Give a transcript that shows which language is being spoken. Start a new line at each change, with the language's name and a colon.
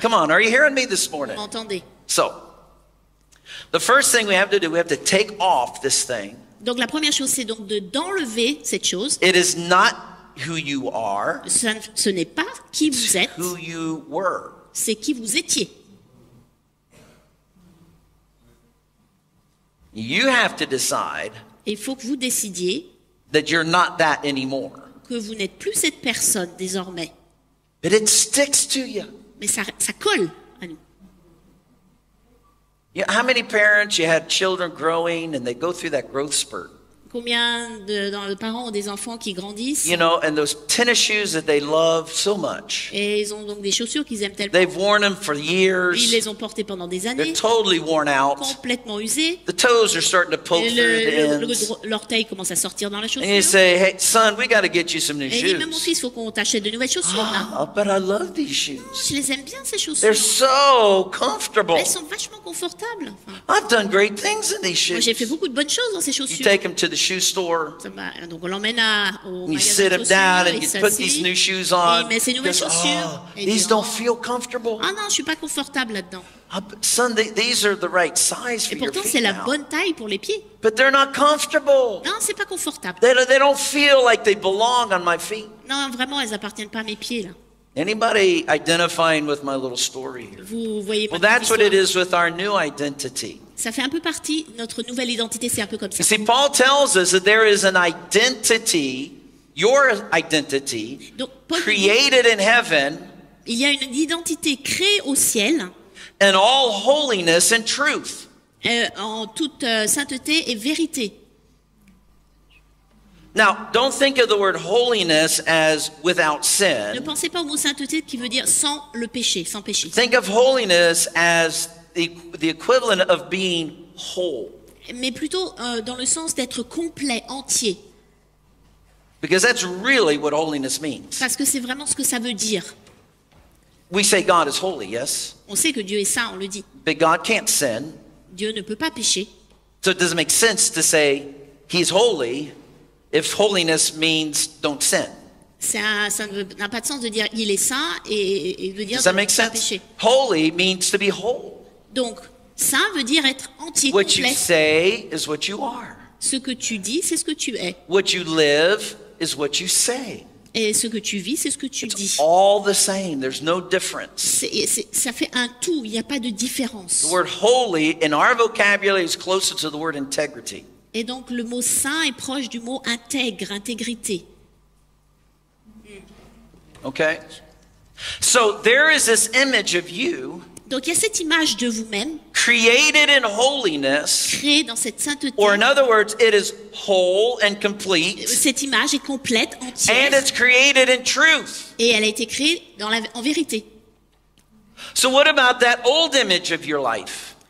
English: Come on, are you hearing me this morning?
French: Vous m'entendez?
English: So, the first thing we have to do, we have to take off this thing.
French: Donc la première chose, c'est donc d'enlever cette chose.
English: It is not who you are.
French: Ce n'est pas qui
English: it's
French: vous êtes.
English: Who you were.
French: C'est qui vous étiez.
English: You have to decide.
French: Il faut que vous décidiez.
English: That you're not that anymore.
French: Que vous n'êtes plus cette personne désormais.
English: But it sticks to you.
French: Mais ça colle à nous.
English: You know, how many parents you had children growing and they go through that growth spurt?
French: Combien de parents ont des enfants qui grandissent?
English: You know, and those tennis shoes that they love so much.
French: Et ils ont donc des chaussures qu'ils aiment tellement.
English: They've worn them for years.
French: Ils les ont portées pendant des années.
English: They're totally worn out.
French: Complètement usées.
English: The toes are starting to poke through the ends.
French: L'orteil commence à sortir dans la chaussure.
English: And you say, hey, son, we got to get you some new
French: et
English: shoes.
French: Et même mon fils, faut qu'on t'achète de nouvelles chaussures.
English: Oh, but I love these shoes.
French: Je les aime bien ces chaussures.
English: They're so comfortable.
French: Elles sont vachement confortables.
English: Enfin, I've done great things in these shoes.
French: Moi, j'ai fait beaucoup de bonnes choses dans ces chaussures.
English: You take them to the shoe store.
French: Donc on l'emmène au magasin.
English: You sit him down and you put these new shoes on.
French: Et il met ses nouvelles chaussures.
English: These don't feel comfortable.
French: Ah non, je suis pas confortable là-dedans.
English: Son, these are the right size for
French: et pourtant, c'est la bonne taille pour les pieds.
English: But they're not comfortable.
French: Non, c'est pas confortable.
English: They don't feel like they belong on my feet.
French: Non, vraiment, elles appartiennent pas à mes pieds là.
English: Anybody identifying with my little story here?
French: Vous voyez
English: well, that's what it is with our new identity.
French: Ça fait un peu partie notre nouvelle identité, c'est un peu comme ça.
English: You see, Paul tells us that there is an identity, your identity,
French: donc,
English: created
French: dit,
English: in heaven.
French: Il y a une identité créée au ciel.
English: And all holiness and truth.
French: En toute sainteté et vérité.
English: Now, don't think of the word holiness as without sin.
French: Ne pensez pas au mot sainteté qui veut dire sans le péché, sans péché.
English: Think of holiness as the equivalent of being whole.
French: Mais plutôt dans le sens d'être complet, entier.
English: Because that's really what holiness means.
French: Parce que c'est vraiment ce que ça veut dire.
English: We say God is holy, yes.
French: On sait que Dieu est saint, on le dit.
English: But God can't sin.
French: Dieu ne peut pas pécher.
English: So it doesn't make sense to say he's holy if holiness means don't sin.
French: Ça n'a pas de sens de dire il est saint et de dire
English: does that make sense?
French: Pas pécher.
English: Holy means to be whole.
French: Donc, saint veut dire être entier,
English: what
French: complet.
English: You say is what you are.
French: Ce que tu dis, c'est ce que tu es.
English: What you live is what you say.
French: Et ce que tu vis, c'est ce que tu
English: it's
French: dis.
English: All the same. There's no difference.
French: Ça fait un tout. Il n'y a pas de différence.
English: The word holy in our vocabulary is closer to the word integrity.
French: Et donc, le mot saint est proche du mot intègre, intégrité.
English: Okay. So there is this image of you.
French: Donc il y a cette image de vous-même
English: created in holiness,
French: créée dans cette sainteté.
English: Or in other words, it is whole and complete.
French: Cette image est complète, entière.
English: And it's created in truth.
French: Et elle a été créée en vérité.
English: So what about that old image of your life?